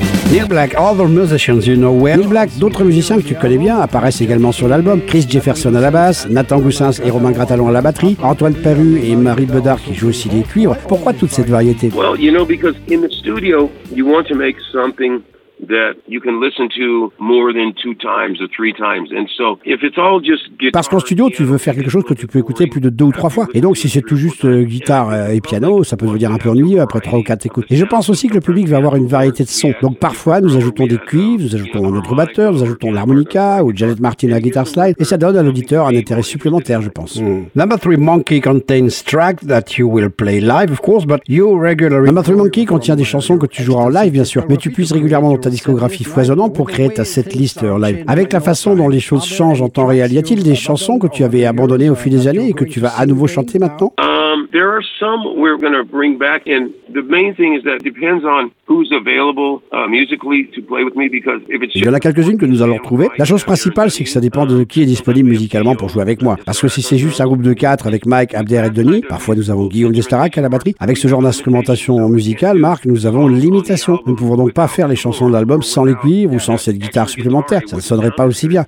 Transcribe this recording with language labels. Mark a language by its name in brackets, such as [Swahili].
[French] Neil Black, [English] other musicians you know well. [French] Neil Black, d'autres musiciens que tu connais bien apparaissent également sur l'album. Chris Jefferson à la basse, Nathan Goussens et Romain Gratalon à la batterie, Antoine Perru et Marie Bedard qui jouent aussi les cuivres. Pourquoi toute cette variété? [English] Well, you know, because in the studio, you want to make something that you can listen to more than two times or three times. And so, if it's all just guitar, [French] parce qu'en studio, tu veux faire quelque chose que tu peux écouter plus de deux ou trois fois. Et donc, si c'est tout juste guitare et piano, ça peut devenir un peu ennuyeux après trois ou quatre écoutes. Et je pense aussi que le public va avoir une variété de sons. Donc, parfois, nous ajoutons des cuivres, nous ajoutons un autre batteur, nous ajoutons l'harmonica ou Janet Martin à la guitare slide. Et ça donne à l'auditeur un intérêt supplémentaire, je pense. [English] Number Three Monkey contains tracks that you will play live, of course, but you regularly. [French] Number Three Monkey contient des chansons que tu joueras en live, bien sûr, mais tu puisses régulièrement ta discographie foisonnante pour créer ta setlist en live. Avec la façon dont les choses changent en temps réel, y a-t-il des chansons que tu avais abandonnées au fil des années et que tu vas à nouveau chanter maintenant? [English] There are some we're going to bring back, and the main thing is that depends on who's available musically to play with me, because if it's... [French] Il y en a quelques-unes que nous allons retrouver. La chose principale, c'est que ça dépend de qui est disponible musicalement pour jouer avec moi. Parce que si c'est juste un groupe de quatre avec Mike, Abder et Denis, parfois nous avons Guillaume Destarac à la batterie. Avec ce genre d'instrumentation musicale, Marc, nous avons une limitation. Nous ne pouvons donc pas faire les chansons de l'album sans les cuivres ou sans cette guitare supplémentaire. Ça ne sonnerait pas aussi bien.